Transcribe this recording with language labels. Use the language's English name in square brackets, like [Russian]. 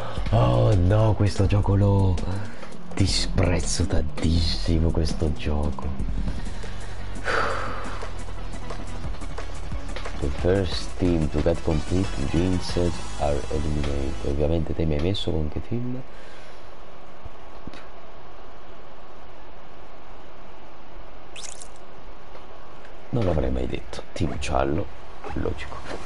[Italian] Oh no, questo gioco lo disprezzo tantissimo, questo gioco. [English] The first team to get complete jeanset are eliminated. [Italian] Ovviamente te mi hai messo con che team? Non l'avrei mai detto. Team giallo, logico.